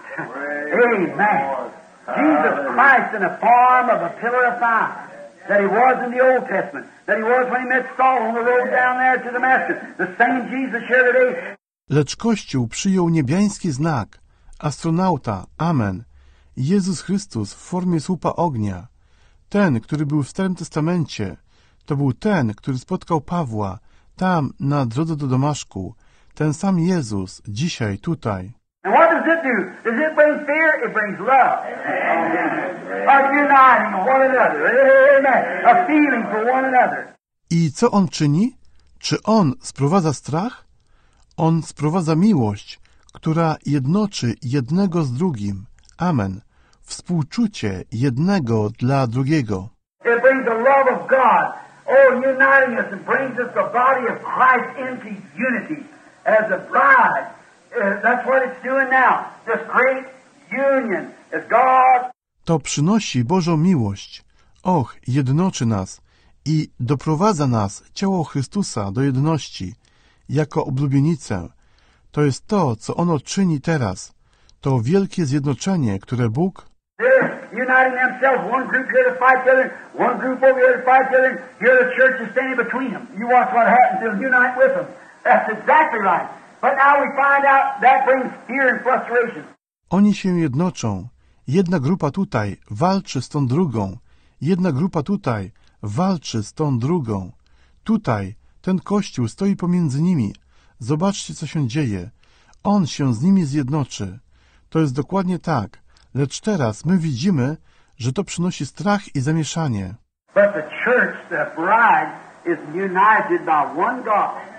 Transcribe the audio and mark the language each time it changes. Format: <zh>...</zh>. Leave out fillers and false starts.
<en>Amen. Jesus Christ in the form of a pillar of fire, that he was in the Old Testament, that he was when he met Saul on the road down there to Damascus, the same Jesus here today.</en> <pl>Lecz Kościół przyjął niebiański znak, astronauta, amen, Jezus Chrystus w formie słupa ognia. Ten, który był w Starym Testamencie, to był ten, który spotkał Pawła tam na drodze do Damaszku, ten sam Jezus dzisiaj tutaj.</pl> <en>And what does it do? Does it bring fear? It brings love. Amen. Amen. A uniting one another. Amen. A feeling for one another.</en> <pl>I co on czyni? Czy on sprowadza strach? On sprowadza miłość, która jednoczy jednego z drugim. Amen. Współczucie jednego dla drugiego.</pl> <en>It brings the love of God. Oh, uniting us and brings us the body of Christ into unity as a bride. That's what it's doing now. This great union is God.</en> <pl>To przynosi Bożą miłość. Och, jednoczy nas i doprowadza nas, ciało Chrystusa, do jedności, jako oblubienicę. To jest to, co ono czyni teraz. To wielkie zjednoczenie, które Bóg...</pl> <en>They're uniting themselves. One group here to fight the other. One group over here to fight the other. Here the church is standing between them. You watch what happens. They'll unite with them. That's exactly right. But now we find out that brings fear and frustration.</en> <pl>Oni się jednoczą. Jedna grupa tutaj walczy z tą drugą. Jedna grupa tutaj walczy z tą drugą. Tutaj ten Kościół stoi pomiędzy nimi. Zobaczcie, co się dzieje. On się z nimi zjednoczy. To jest dokładnie tak. Lecz teraz my widzimy, że to przynosi strach i zamieszanie.</pl> <en>But the church, the bride, is united by one God.</en>